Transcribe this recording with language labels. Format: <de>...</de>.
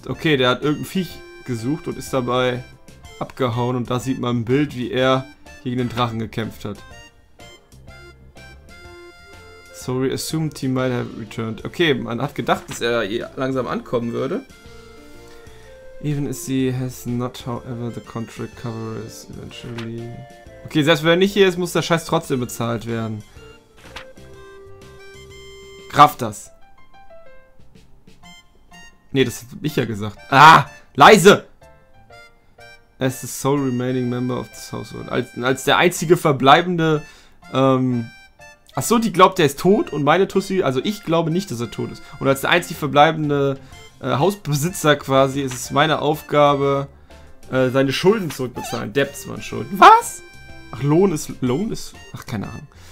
<de>Okay, der hat irgendein Viech gesucht und ist dabei abgehauen und da sieht man im Bild, wie er gegen den Drachen gekämpft hat.</de> <en>So we assumed he might have returned.</en> <de>Okay, man hat gedacht, dass er langsam ankommen würde.</de> <en>Even if he has not, however, the contract covers eventually.</en> <de>Okay, selbst wenn er nicht hier ist, muss der Scheiß trotzdem bezahlt werden. Kraft das. Nee, das hab ich ja gesagt. Ah! Leise!</de> <en>As the sole remaining member of this household.</en> <de>Als der einzige verbleibende. Achso, die glaubt, der ist tot und meine Tussi. Also, ich glaube nicht, dass er tot ist. Und als der einzige verbleibende Hausbesitzer quasi ist es meine Aufgabe, seine Schulden zurückbezahlen. Debts waren Schulden. Was? Ach, Lohn ist. Lohn ist. Ach, keine Ahnung.</de>